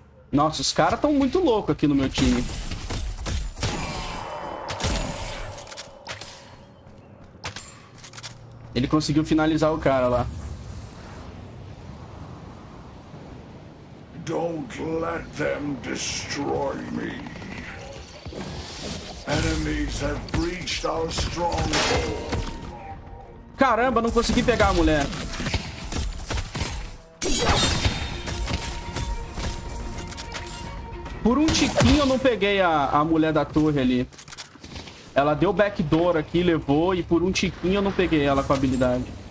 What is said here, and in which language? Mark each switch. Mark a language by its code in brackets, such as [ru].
[pt] Nossa, os caras tão muito loucos aqui no meu time. Ele conseguiu finalizar o cara lá. [en] Don't let them destroy me. Enemies have breached our stronghold. [pt] Caramba, não consegui pegar a mulher. Por um tiquinho eu não peguei a mulher da torre ali. Ela deu backdoor aqui, levou, e por um tiquinho eu não peguei ela com a habilidade.